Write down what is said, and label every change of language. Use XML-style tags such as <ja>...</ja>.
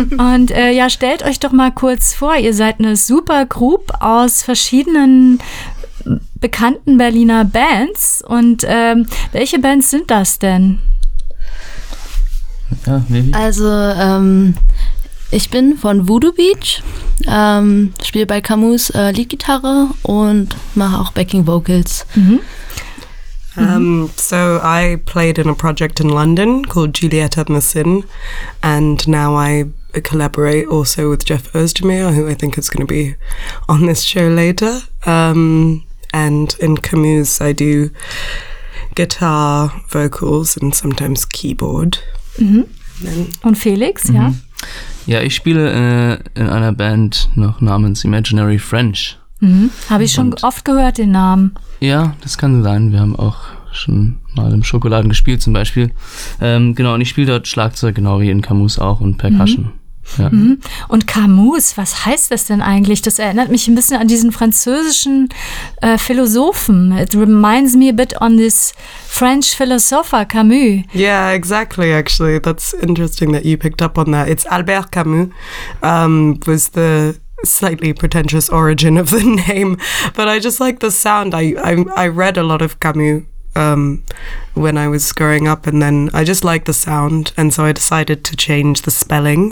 <de>Und stellt euch doch mal kurz vor, ihr seid eine super Group aus verschiedenen bekannten Berliner Bands. Und welche Bands sind das denn? Ja, also, ich bin von Voodoo Beach, spiele bei Camus Leadgitarre und mache auch Backing Vocals.</de> <en>So, I played in a project in London called Juliette and the Sin, and now I collaborate also with Jeff Özdemir, who I think is going to be on this show later. And in Camus, I do guitar, vocals and sometimes keyboard.</en> <de>Und Felix, ja? Ja, ich spiele in einer Band noch namens Imaginary French. Habe ich schon oft gehört, den Namen. Ja, das kann sein. Wir haben auch schon mal im Schokoladen gespielt zum Beispiel. Genau, und ich spiele dort Schlagzeug, genau wie in Camus auch, und Percussion. Ja. Mhm. Und Camus, was heißt das denn eigentlich? Das erinnert mich ein bisschen an diesen französischen Philosophen.</de> <en>It reminds me a bit on this French philosopher Camus. Yeah, exactly, actually. That's interesting that you picked up on that. It's Albert Camus, was the slightly pretentious origin of the name. But I just like the sound. I read a lot of Camus when I was growing up, and then I just liked the sound, and so I decided to change the spelling.</en>